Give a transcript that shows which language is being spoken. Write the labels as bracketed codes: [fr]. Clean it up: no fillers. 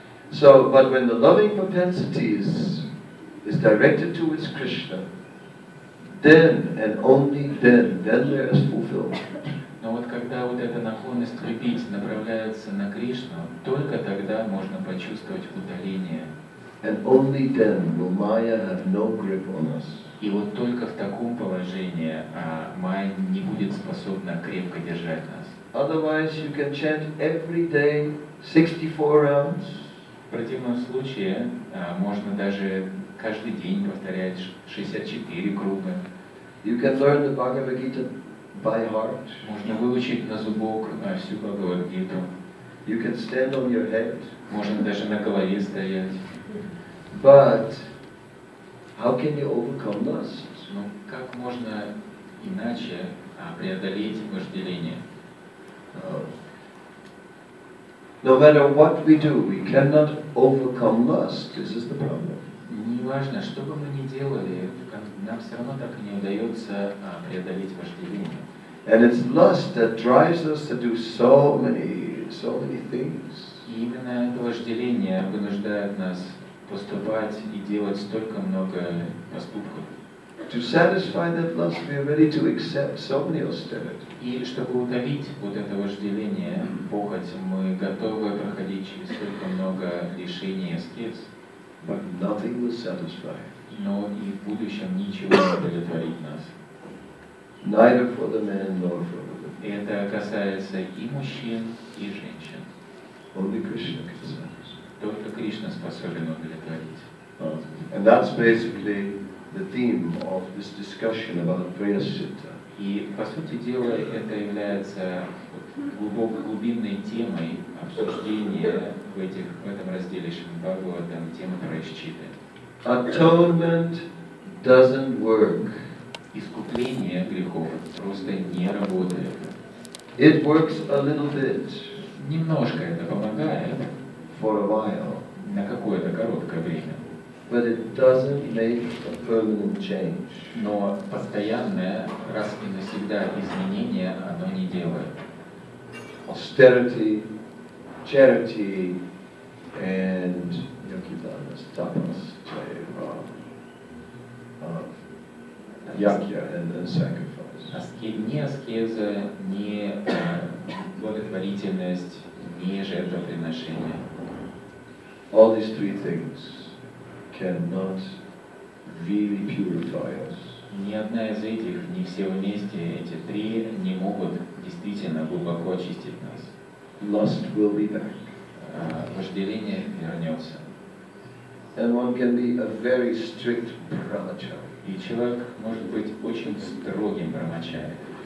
[en] So, but when the loving propensity is directed towards Krishna, then and only then there is fulfillment. [ru] Но вот когда вот эта наклонность любить направляется на Кришну, только тогда можно почувствовать удаление [en] And only then will Maya have no grip on us. [ru] И вот только в таком положении Майя не будет способна крепко держать нас. [en] Otherwise, you can chant every day 64 rounds. [ru] В противном случае можно даже каждый день повторять 64 круга. [en] You can learn the Bhagavad Gita by heart. [ru] Можно выучить на зубок всю Бхагавад Гиту. [en] You can stand on your head. [ru] Можно даже на голове стоять. [en] But how can you overcome lust? [ru] Ну как можно иначе преодолеть вожделение? [en] No matter what we do, we cannot overcome lust. This is the problem. [ru] Неважно, что бы мы ни делали, нам все равно так и не удается преодолеть вожделение. [en] And it's lust that drives us to do so many things. [ru] И именно это вожделение вынуждает нас поступать и делать столько много поступков. [en] To satisfy that lust, we are ready to accept so many austerities. [ru] И чтобы удалить вот это вожделение, похоть, мы готовы проходить через столько много лишений и аскез. [en] But nothing will satisfy. [ru] Но и в будущем ничего не удовлетворит нас. [en] Neither for the man nor for the woman. [ru] Это касается и мужчин, и женщин. [en] Only Krishna can satisfy. [ru] Только Кришна способен удовлетворить. [en] And that's basically the theme of this discussion about Prayasita. [ru] И по сути дела это является глубинной темой обсуждения в этом разделе Шримад-Бхагаватам, темы Прайасчитты. [en] Atonement doesn't work. [ru] Искупление грехов просто не работает. [en] It works a little bit. [ru] Немножко это помогает. [en] For a while, [ru] на какое-то короткое время. [en] But it doesn't make a permanent change. [ru] Но постоянное, раз и навсегда изменение оно не делает. [en] Austerity, charity, and yakyadanas, tapas, yakya and sacrifice. [ru] Ни аскеза, ни благотворительность, ни жертвоприношение. [en] All these three things cannot really purify us. [ru] Ни одна из этих, ни все вместе, эти три не могут действительно глубоко очистить нас. [en] Lust will be back. [ru] Вожделение вернется. [en] And one can be a very strict brahmachari. [ru] И человек может быть очень строгим брахмачари.